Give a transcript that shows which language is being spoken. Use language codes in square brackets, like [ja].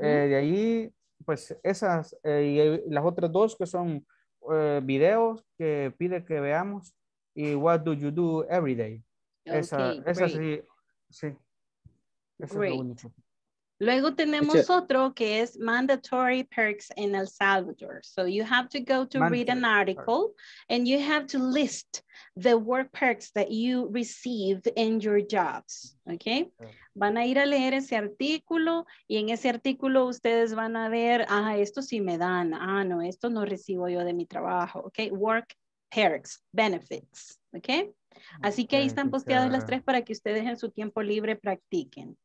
[es] De ahí, pues esas y las otras dos que son videos que pide que veamos. [en] Y what do you do every day? Okay, [es] esa sí. Sí. Eso [en] great. [es] Es lo único. Luego tenemos otro que es [en] mandatory perks [es] in El Salvador. [en] So you have to go to read an article and you have to list the work perks that you received in your jobs. Okay? [es] Van a ir a leer ese artículo y en ese artículo ustedes van a ver, esto sí me dan. No, esto no recibo yo de mi trabajo. Okay? [en] Work perks, benefits. [es] Okay? Así que ahí están posteadas las tres para que ustedes en su tiempo libre practiquen.